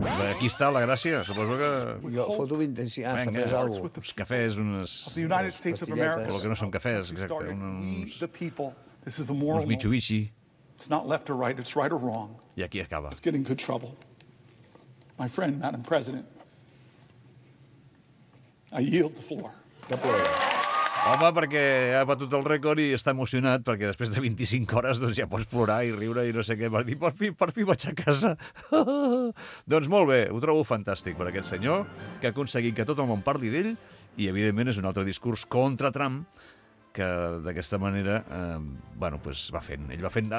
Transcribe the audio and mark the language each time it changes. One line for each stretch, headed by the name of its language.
Catalan: Aquí està la gràcia, suposo que... Jo foto 20... Ah, s'ha pres algú. Els cafès, unes... Pastilletes. Però que no són cafès, exacte. Uns Mitsubishi.
English: It's not left or right, it's right or wrong.
Catalan: I aquí acaba.
English: It's getting good trouble. My friend, Madam President, I yield the floor.
Catalan: Que plegui. Home, perquè ha batut el rècord i està emocionat, perquè després de 25 hores doncs ja pots plorar i riure i no sé què. Per dir, per fi vaig a casa. Doncs molt bé, ho trobo fantàstic per aquest senyor, que ha aconseguit que tot el món parli d'ell, i evidentment és un altre discurs contra Trump, que d'aquesta manera va fent. Ell va fent.